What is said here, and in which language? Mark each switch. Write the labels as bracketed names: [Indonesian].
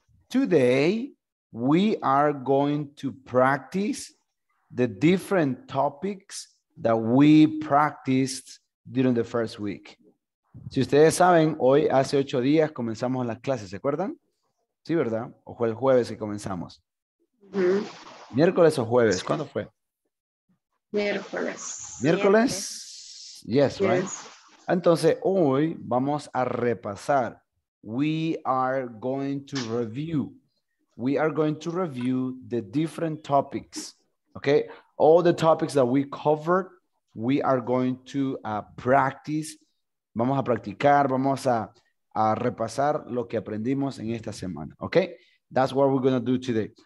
[English] Today, we are going to practice the different topics that we practiced during the first week. [Spanish] Si ustedes saben, hoy hace 8 días comenzamos las clases, ¿se acuerdan? Sí, ¿verdad? O fue el jueves que comenzamos. ¿Miércoles o jueves? ¿Cuándo fue? Miércoles, siete. [English] ¿Miércoles? Yes, right? Yes. [Spanish] Entonces, hoy vamos a repasar. [English] We are going to review. We are going to review the different topics. Okay, all the topics that we covered, we are going to practice. [Spanish] Vamos a practicar, vamos a repasar lo que aprendimos en esta semana. [English] Okay, that's what we're going to do today.